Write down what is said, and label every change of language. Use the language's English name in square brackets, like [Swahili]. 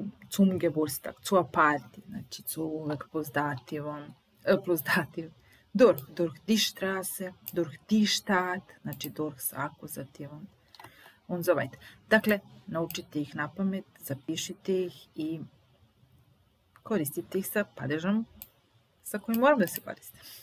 [German] Zum Geburtstag, zur Party. [Serbian] Znači, zu, uvek plus dativom. Plus dativ. [German] Durch die Straße, durch die Stadt, [Serbian] znači durch sa akuzativom. [German] Und so weiter. [Serbian] Dakle, naučite ih na pamet, zapišite ih i koristite ih sa padežom sa kojim moramo da se koriste.